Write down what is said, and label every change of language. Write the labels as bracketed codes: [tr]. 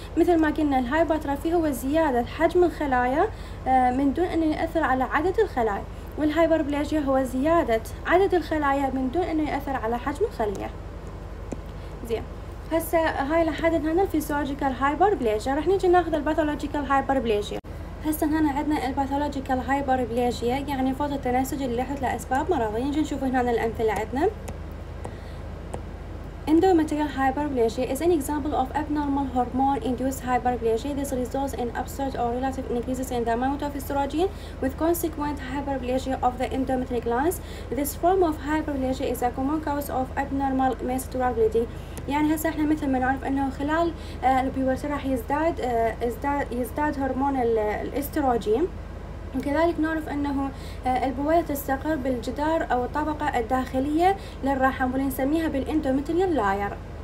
[ar] مثل ما قلنا الهايبرترافي هو زياده حجم الخلايا من دون ان يؤثر على عدد الخلايا، والهايبربليجيا هو زياده عدد الخلايا من دون ان يؤثر على حجم الخليه. زين هسه هاي لحد هنا الفيزيولوجيكال هايبربليجيا، راح نيجي ناخذ الباثولوجيكال هايبربليجيا. هسه هنا عندنا الباثولوجيكال هايبربليجيا يعني فوضى التناسج اللي يحدث لاسباب مرضيه. نجي نشوف هنا الامثله عندنا. [en] Endometrial hyperplasia is an example of abnormal hormone-induced hyperplasia. This results in absurd or relative increases in the amount of estrogen with consequent hyperplasia of the endometrial glands. This form of hyperplasia is a common cause of abnormal menstrual bleeding. [ar] يعني هسا احنا مثل ما نعرف انه خلال البيبرتي راح يزداد هرمون الاستروجين، وكذلك نعرف انه البويضه تستقر بالجدار او الطبقه الداخليه للرحم واللي نسميها بالاندوميتريال لاير.